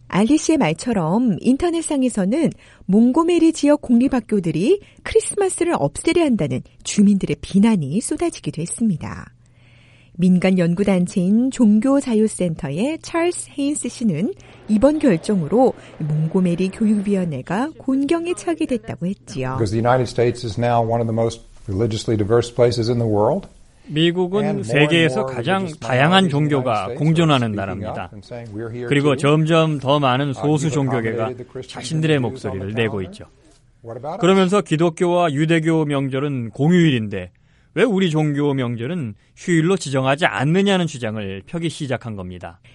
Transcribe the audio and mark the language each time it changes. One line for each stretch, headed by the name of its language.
Korean: 알리시의 말처럼 인터넷상에서는 몽고메리 지역 공립학교들이 크리스마스를 없애려 한다는 주민들의 비난이 쏟아지기도 했습니다. 민간 연구단체인 종교자유센터의 찰스 헤인스 씨는 이번 결정으로 몽고메리 교육위원회가 곤경에 처하게 됐다고 했지요.
English: Because the United States is now one of the most religiously diverse places in the world.
Korean: 미국은 세계에서 가장 다양한 종교가 공존하는 나라입니다. 그리고 점점 더 많은 소수 종교계가 자신들의 목소리를 내고 있죠. 그러면서 기독교와 유대교 명절은 공휴일인데 왜 우리 종교 명절은 휴일로 지정하지 않느냐는 주장을 펴기 시작한 겁니다.